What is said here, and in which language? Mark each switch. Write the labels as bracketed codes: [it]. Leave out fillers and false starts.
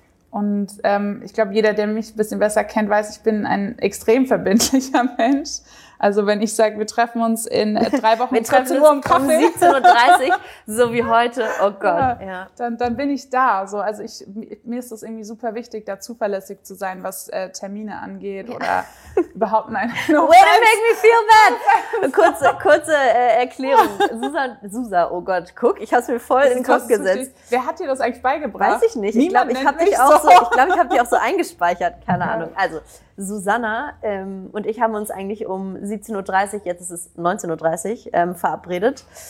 [de] Und ich glaube, jeder, der mich ein bisschen besser kennt, weiß, ich bin ein extrem verbindlicher Mensch. Also wenn ich sage, wir treffen uns in 3 Wochen wir treffen uns um Kaffee. 17:30 Uhr, so wie heute, oh Gott. Ja. Ja. Dann bin ich da. So, also mir ist das irgendwie super wichtig, da zuverlässig zu sein, was Termine angeht oder überhaupt nein. [en] No way to make me feel bad. [de] Kurze Erklärung. Susa, oh Gott, guck, ich habe es mir voll in den Kopf gesetzt. Richtig. Wer hat dir das eigentlich beigebracht? Weiß ich nicht. Niemand ich glaube, ich habe dich, so. Ich glaub, ich hab dich auch so eingespeichert. Keine Ahnung. Also Susanna und ich haben uns eigentlich um 17.30 Uhr, jetzt ist es 19.30 Uhr, verabredet.